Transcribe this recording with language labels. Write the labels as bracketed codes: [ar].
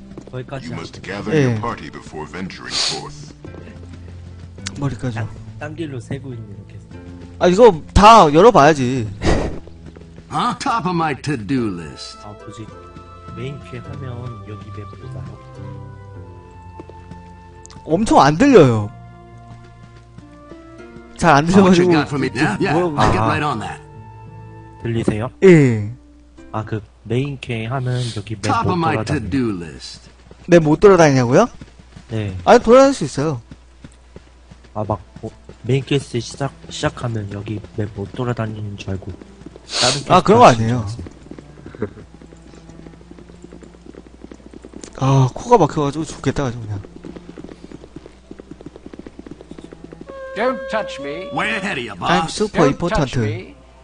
[ko] 거기까지. [en] You must gather your party before venturing forth. [ko] 머리까지. 딴 길로 세고 있는 이렇게. 아, 이거 다 열어봐야지. [en] Top of my to-do list. [ko] 아, 굳이 메인 퀘 하면 여기 맵보다 엄청 안 들려요. 잘 안 들려가지고. [en] Yeah, [ko] 들리세요? 예. 아, 그 메인 캐 하면 여기 맵 못 돌아다니냐고요? 네, 못 돌아다니냐고요? 네. 아니, 돌아다닐 수 있어요. 아, 막 메인 퀘스트 시작하면 여기 맵 못 돌아다니는 줄 알고 다른 아, 그런 거 아니에요. 아, 코가 막혀가지고 죽겠다, 그냥. [en] Don't touch me. Way ahead of you, boss. I'm super important.